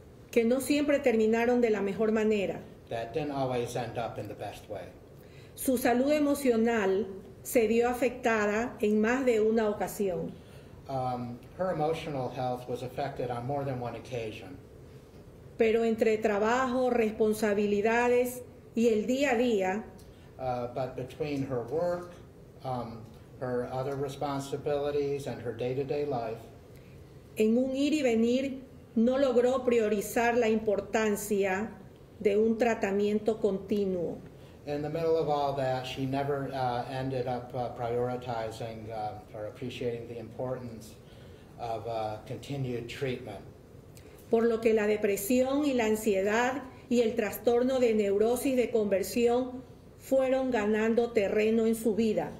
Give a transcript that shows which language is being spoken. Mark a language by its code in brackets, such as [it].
[es] Que no siempre terminaron de la mejor manera. [en] That didn't always end up in the best way. [es] Su salud emocional se vio afectada en más de una ocasión. [en] Her emotional health was affected on more than one occasion. [es] Pero entre trabajo, responsabilidades y el día a día. [en] But between her work, her other responsibilities and her day-to-day life. [es] En un ir y venir, no logró priorizar la importancia de un tratamiento continuo. [en] In the middle of all that, she never ended up prioritizing or appreciating the importance of continued treatment. [es] Por lo que la depresión y la ansiedad y el trastorno de neurosis de conversión fueron ganando terreno en su vida.